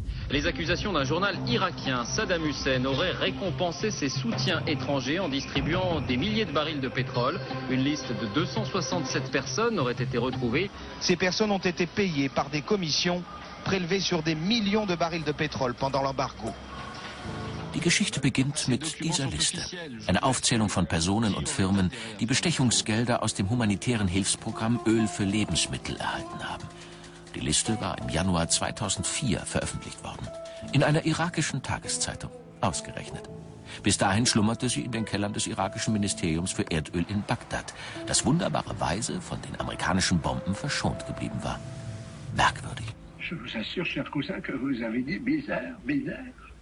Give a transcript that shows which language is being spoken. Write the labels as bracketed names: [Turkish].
[French] Les accusations d'un journal irakien, Saddam Hussein, aurait récompensé ses soutiens étrangers en distribuant des milliers de barils de pétrole. Une liste de 267 personnes aurait été retrouvée. Ces personnes ont été payées par des commissions prélevées sur des millions de barils de pétrole pendant l'embargo. [German] Die Geschichte beginnt mit dieser Liste. Eine Aufzählung von Personen und Firmen, die Bestechungsgelder aus dem humanitären Hilfsprogramm Öl für Lebensmittel erhalten haben. Die Liste war im Januar 2004 veröffentlicht worden. In einer irakischen Tageszeitung. Ausgerechnet. Bis dahin schlummerte sie in den Kellern des irakischen Ministeriums für Erdöl in Bagdad, das wunderbarerweise von den amerikanischen Bomben verschont geblieben war. Merkwürdig. [French] Je vous assure, cher cousin, que vous avez dit bizarre, bizarre.